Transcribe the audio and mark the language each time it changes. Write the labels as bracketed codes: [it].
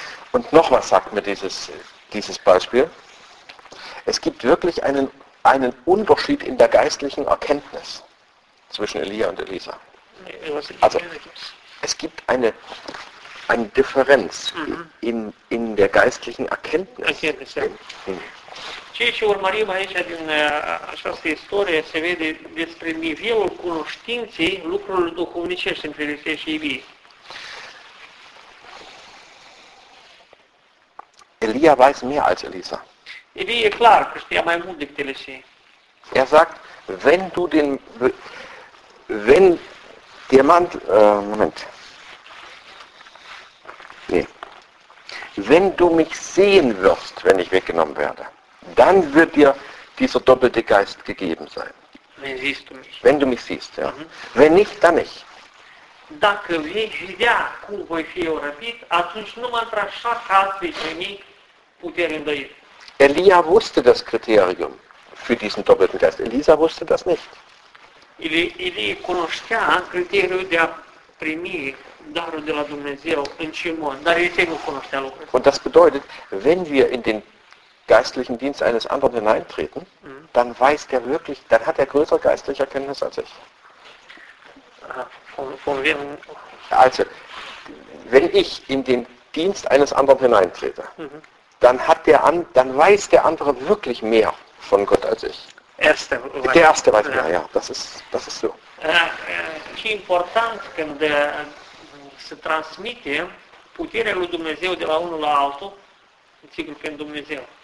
[de] Und noch was sagt mir dieses Beispiel, es gibt wirklich einen Unterschied in der geistlichen Erkenntnis zwischen Elia und Elisa. Also, es gibt eine Differenz in der geistlichen Erkenntnis. [ro] Ceea ce urmărim aici din această istorie se vede despre nivelul cunoștinței lucrurilor duhovnicești în Filistei și Ilie. [de] Elia weiß mehr als Elisa. [ro] Elie, clar, că știa mai mult decât Elisa. [de] Er sagt, wenn du den, wenn der Mantel, Moment. Nee. Wenn du mich sehen wirst, wenn ich weggenommen werde, dann wird dir dieser doppelte Geist gegeben sein. Wenn siehst du mich. Wenn du mich siehst, ja. Wenn nicht, dann nicht. [ro] Dacă vei vedea cum voi fi orăbit, atunci numai într-așa caz vei primi putere îndoit. [de] Elia wusste das Kriterium für diesen doppelten Geist. Elisa wusste das nicht. [ro] Elie cunoștea criteriul de a primi darul de la Dumnezeu în ce mod, dar Elisa nu cunoștea lucrurile. [de] Und das bedeutet, wenn wir in den geistlichen Dienst eines anderen hineintreten, dann weiß der wirklich, dann hat er größere geistliche Erkenntnis als ich. Von wem? Also, wenn ich in den Dienst eines anderen hineintrete, dann hat der dann weiß der andere wirklich mehr von Gott als ich. Der Erste weiß mehr, ja, das ist so. [ro] Ce important când se transmite puterea lui Dumnezeu de la unul la altul, sigur că în Dumnezeu.